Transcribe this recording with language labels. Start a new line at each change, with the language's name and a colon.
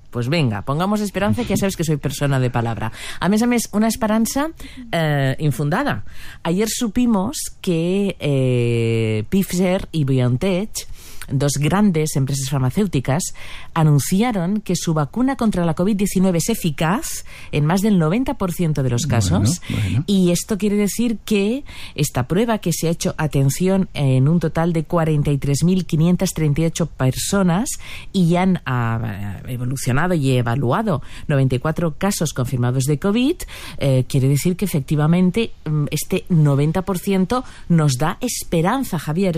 Spanish: Pues venga, pongamos esperanza, que ya sabes que soy persona de palabra.
Catalan: A més, una esperanza infundada.
Spanish: Ayer supimos que Pfizer i BioNTech dos grandes empresas farmacéuticas anunciaron que su vacuna contra la COVID-19 es eficaz en más del 90% de los casos. Bueno. Y esto quiere decir que esta prueba, que se ha hecho, atención, en un total de 43.538 personas y ya han evolucionado y evaluado 94 casos confirmados de COVID, quiere decir que efectivamente este 90% nos da esperanza, Javier.